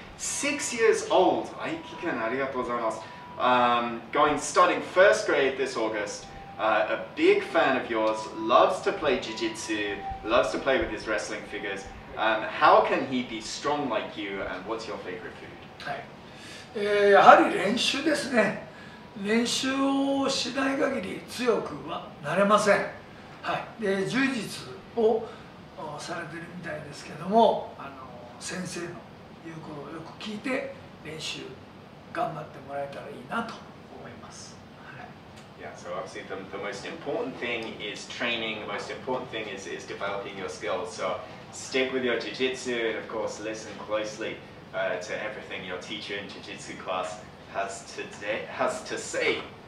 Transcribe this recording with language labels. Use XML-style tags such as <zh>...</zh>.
<en>6 years old, Aiki-kun,</en> <ja>arigatou gozaimasu.</ja> <en>Going, starting first grade this August, a big fan of yours, loves to play jiu-jitsu, loves to play with his wrestling figures. How can he be strong like you, and what's your favorite food?</en> <ja>Yahari renshu desu ne. 練習をしない限り強くはなれません。はい、で柔術をされてるみたいですけども、あの先生の言うことをよく聞いて練習頑張ってもらえたらいいなと思います。</ja> <en>はい、 Yeah, so obviously the most important thing is training. The most important thing is developing your skills. So stick with your jiu-jitsu and of course listen closely to everything your teacher in jiu-jitsu classhas to say.</en>